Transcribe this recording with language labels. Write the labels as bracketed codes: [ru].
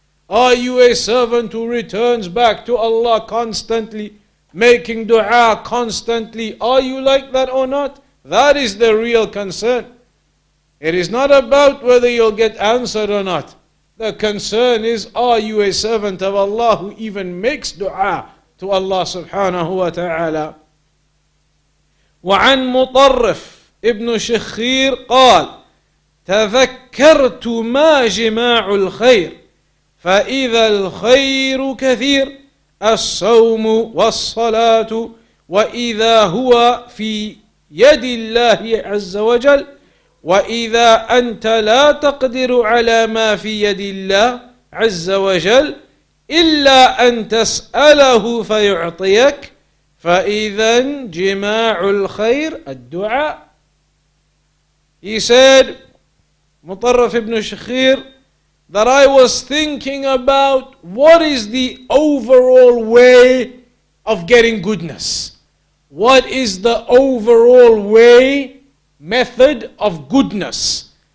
[en] Are you a servant who returns back to Allah constantly, making dua constantly? Are you like that or not? That is the real concern. It is not about whether you'll get answered or not. The concern is, are you a servant of Allah who even makes dua to Allah subhanahu wa ta'ala? [ar] وعن مطرف ابن شخير قال تذكرت ما جماع الخير فإذا الخير كثير الصوم والصلاة وإذا هو في يد الله عز وجل وإذا أنت لا تقدر على ما في يد الله عز وجل إلا أن تسأله فيعطيك فَإِذًا جِمَاعُ الْخَيْرِ الدُّعَى. [en] He said, Mutarraf ibn Shakhir, that I was thinking about what is the overall way of getting goodness. What is the overall way, method of goodness?